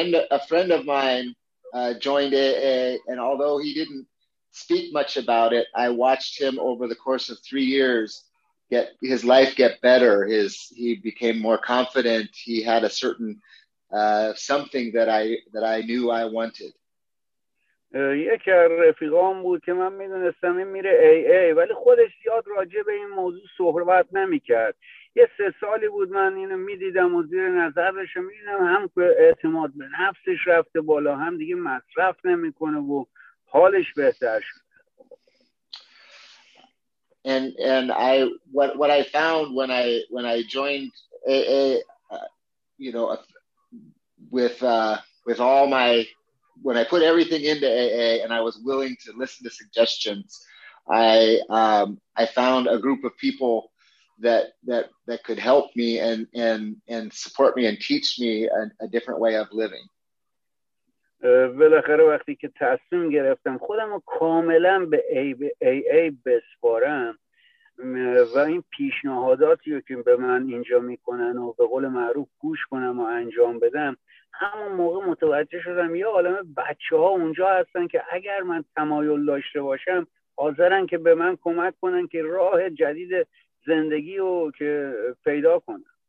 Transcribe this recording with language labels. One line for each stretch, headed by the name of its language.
English: A friend of mine joined AA, and although he didn't speak much about it, I watched him over the course of 3 years get his life get better. He became more confident. He had a certain something that I knew I wanted.
Persian: یکی از رفیقام بود که من میدونستم این میره AA، ولی خودش زیاد راجع به این موضوع صحبت نمیکرد. یه 3 سالی بود من اینو میدیدم و زیر نظرش میدیدم، هم که اعتماد به نفسش رفته بالا، هم دیگه مصرف نمیکنه و حالش بهتر شد.
English: And what I found when I joined AA, with all my, when I put everything into AA and I was willing to listen to suggestions, I found a group of people that could help me and support me and teach me a different way of living.
Persian: بالاخره وقتی که تصمیم گرفتم خودم رو کاملا به AA بسپارم و این پیشنهاداتی رو که به من اینجا میکنن و به قول معروف گوش کنم و انجام بدم، همون موقع متوجه شدم یه عالمه بچه ها اونجا هستن که اگر من تمایل داشته باشم حاضرن که به من کمک کنن که راه جدید زندگی رو که پیدا کنم.